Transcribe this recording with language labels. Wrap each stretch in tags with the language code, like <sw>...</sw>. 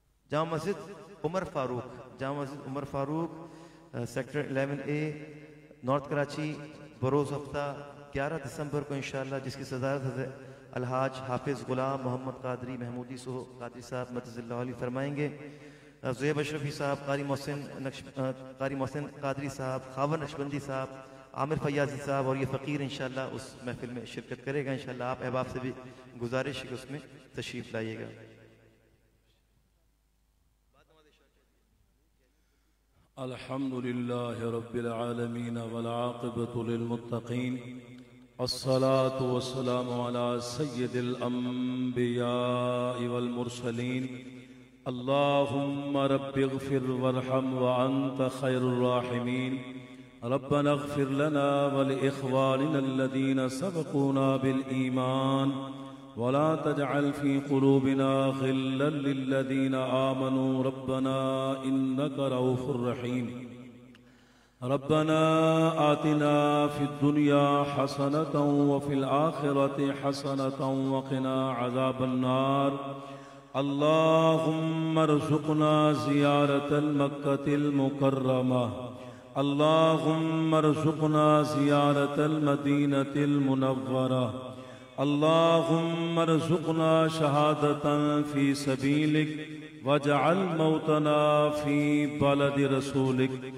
<ur>جامع مسجد عمر فاروق جامع مسجد عمر فاروق sector 11A north Karachi بروز ہفتہ 11 دسمبر کو انشاءاللہ جس کی صدارت حضرت الحاج حافظ غلام محمد قادری محمودی سو قادری صاحب مرتضی اللہ علیہ فرمائیں گے زہیب اشرفی صاحب قاری محسن قاری محسن قادری صاحب خاور نقشبندی صاحب عامر فیاضی صاحب اور یہ فقیر انشاءاللہ اس محفل میں شرکت کرے گا انشاءاللہ آپ احباب سے بھی گزارش ہے کہ اس میں تشریف لائیے گا</ur> <ar>الحمدللہ رب العالمین والعاقبۃ للمتقین الصلاة والسلام على سيد الأنبياء والمرسلين اللهم رب اغفر وارحم وأنت خير الراحمين ربنا اغفر لنا ولإخواننا الذين سبقونا بالإيمان ولا تجعل في قلوبنا غلا للذين آمنوا ربنا إنك رؤوف رحيم ربنا آتنا في الدنيا حسنة وفي الآخرة حسنة وقنا عذاب النار اللهم ارزقنا زيارة مكة المكرمة اللهم ارزقنا زيارة المدينة المنورة اللهم ارزقنا شهادة في سبيلك واجعل موتنا في بلد رسولك</ar>